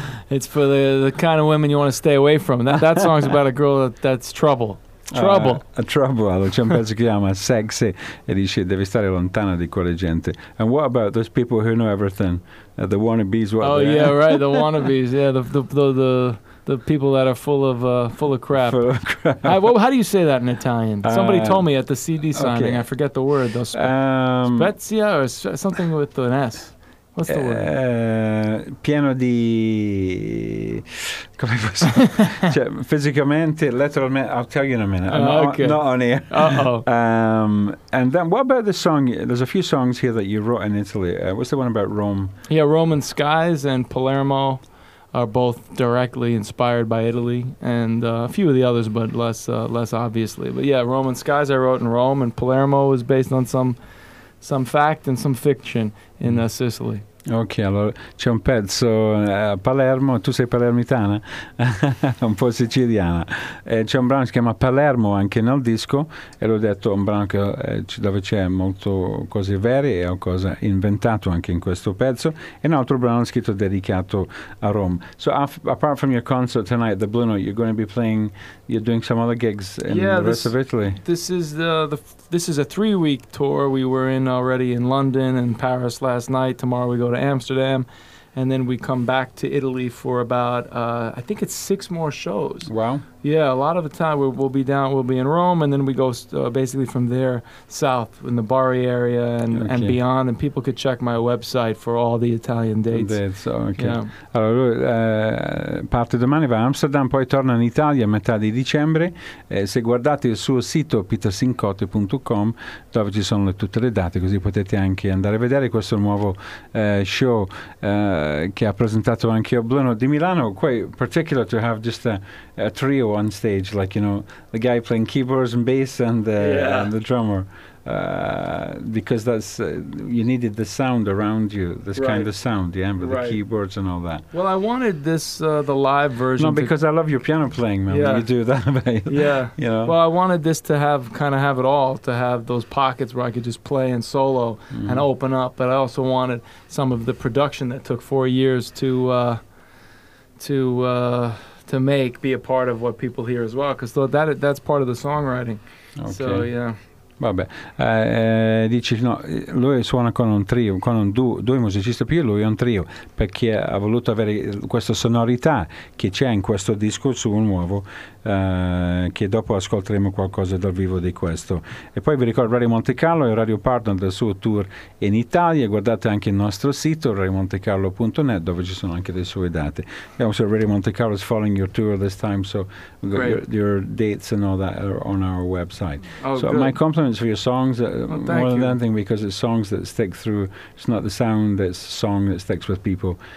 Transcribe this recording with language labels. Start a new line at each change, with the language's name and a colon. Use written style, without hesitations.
English: It's for the kind of women you want to stay away from. That song's about a girl that's trouble. Trouble.
Italian: Allora, c'è un pezzo che chiama Sexy e dice devi stare lontano di quella gente.
English: And what about those people who know everything? The wannabes? Right, the wannabes. Yeah, the people that are full of crap. Full of crap. How do you say that in Italian? Somebody told me at the CD signing. Okay. I forget the word. Spezia or something with an S.
Italian: Pieno di, come posso, cioè fisicamente, letteralmente.
English: I'll tell you in a minute. Not on here. And then what about the song? There's a few songs here that you wrote in Italy. What's the one about Rome? Yeah, Roman Skies and Palermo are both directly inspired by Italy, and a few of the others, but less obviously. But yeah, Roman Skies I wrote in Rome, and Palermo was based on some fact and some fiction in Sicily.
Italian: Ok, allora c'è un pezzo a Palermo, tu sei palermitana, un po' siciliana, c'è un brano che si chiama Palermo anche nel disco, e l'ho detto, un brano che, dove c'è molto cose vere e ho cose inventato anche in questo pezzo, e un altro brano scritto dedicato a Roma.
English: So apart from your concert tonight, the Blue Note, you're going to be playing, you're doing some other gigs in the rest of Italy. This is a 3-week tour. We were in already in London and Paris last night. Tomorrow we go to Amsterdam, and then we come back to Italy for about I think it's 6 more shows. Wow. Yeah, a lot of the time we'll be in Rome, and then we go basically from there south in the Bari area and beyond, and people could check my website for all the Italian dates.
Italian: Allora, parte domani, va a Amsterdam, poi torna in Italia a metà di dicembre. Se guardate il suo sito petersincote.com, dove ci sono tutte le date, così potete anche andare a vedere questo nuovo show che ha presentato anche a Bruno di Milano.
English: Quite particular to have just a trio on stage, like, you know, the guy playing keyboards and bass and and the drummer, because that's you needed the sound around you, this kind of sound, with the keyboards and all that. Well, I wanted this the live version. No, because I love your piano playing, man. Yeah. You do that. You know? Well, I wanted this to have it all, to have those pockets where I could just play and solo and open up, but I also wanted some of the production that took 4 years to make be a part of what people hear as well, because that's part of the songwriting. Okay. So yeah.
Italian: Vabbè, dice, no, lui suona con un trio, con due musicisti più, lui è un trio, perché ha voluto avere questa sonorità che c'è in questo disco suo nuovo, che dopo ascolteremo qualcosa dal vivo di questo. E poi vi ricordo Radio Monte Carlo e Radio Partner del suo tour in Italia. Guardate anche il nostro sito radiomontecarlo.net, dove ci sono anche le sue date.
English: E also Radio Monte Carlo is following your tour this time, so your dates and all that are on our website. Oh, so my compliment influence for your songs more than anything, because it's songs that stick through. It's not the sound, it's song that sticks with people.